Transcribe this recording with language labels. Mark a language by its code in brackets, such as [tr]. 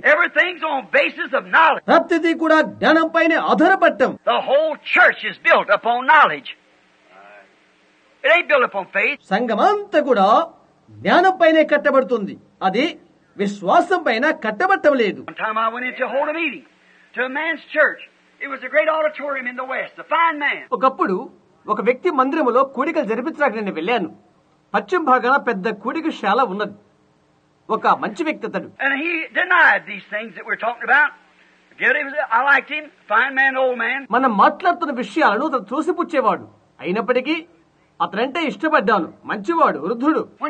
[en] Everything on basis of knowledge. [te] ప్రతిదీ కూడా జ్ఞానంపైన ఆధారపడటం. [en] The whole church is built upon knowledge. It ain't built upon faith. [te] సంఘమంతా కూడా జ్ఞానం పైనే కట్టబడుతుంది, అది విశ్వాసం పైన కట్టబడటం లేదు. [en] One time I went into a holy meeting to a man's church. It was a great auditorium in the West, a fine man. [te] ఒకప్పుడు ఒక వ్యక్తి మందిరములో కూడికలు జరిపించడానికి నేను వెళ్ళాను. పశ్చిమ భాగాన పెద్ద కూడిక శాల ఉన్నది, ఒక మంచి వ్యక్తి అతడు. [en] And he denied these things that we're talking about. I liked him, fine man, old man. [te] మనం మాట్లాడుతున్న విషయాలను అతను చూసిపుచ్చేవాడు. అయినప్పటికీ అతనంటే ఇష్టపడ్డాను, మంచివాడు, వృద్ధుడు.